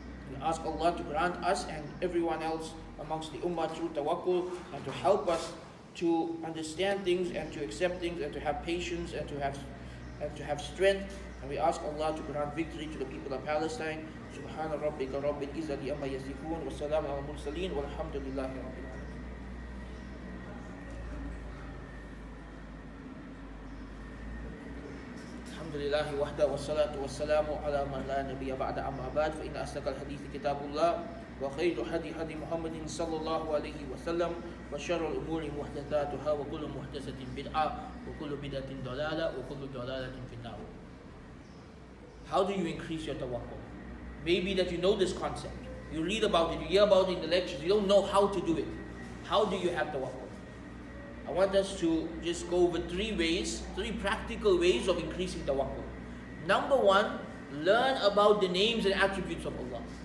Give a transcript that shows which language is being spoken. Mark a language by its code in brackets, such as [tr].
[en] We ask Allah to grant us and everyone else amongst the ummah through tawakkul and to help us to understand things and to accept things and to have patience and to have strength. And we ask Allah to grant victory to the people of Palestine. [ar] سبحان ربك رب العزة عما يصفون والسلام على المرسلين والحمد لله رب العالمين. الحمد لله وحده والصلاة والسلام على من لا نبي بعد أما بعد فإن أصدق الحديث كتاب الله وخير الهدي هدي محمد صلى الله عليه وسلم وشر الأمور محدثاتها وكل محدثة بدعة وكل بدعة ضلالة وكل ضلالة في النار. [en] How do you increase your tawakkul? Maybe that you know this concept. You read about it, you hear about it in the lectures, you don't know how to do it. How do you have tawakkul? I want us to just go over three practical ways of increasing tawakkul. Number one, learn about the names and attributes of Allah.